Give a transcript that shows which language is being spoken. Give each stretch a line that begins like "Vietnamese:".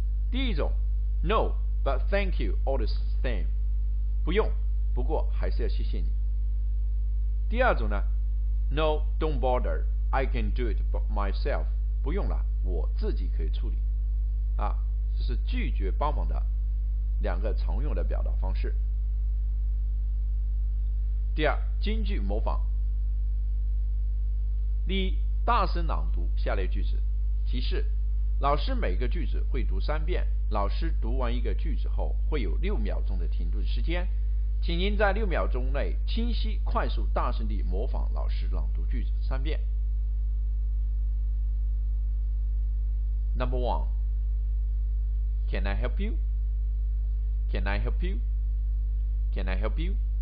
Chinese: 第一种，
English: No, but thank you all the same,
Chinese: 不用，不过还是要谢谢你。第二种呢，
English: No, don't bother, I can do it myself,
Chinese: 不用了，我自己可以处理这是拒绝帮忙的两个常用的表达方式。第二，金句模仿。第一，大声朗读下列句子。提示：老师每个句子会读三遍，老师读完一个句子后会有六秒钟的停顿时间，请您在六秒钟内清晰快速大声地模仿老师朗读句子三遍。
English: Number one, Can I help you? Can I help you? Can I help you?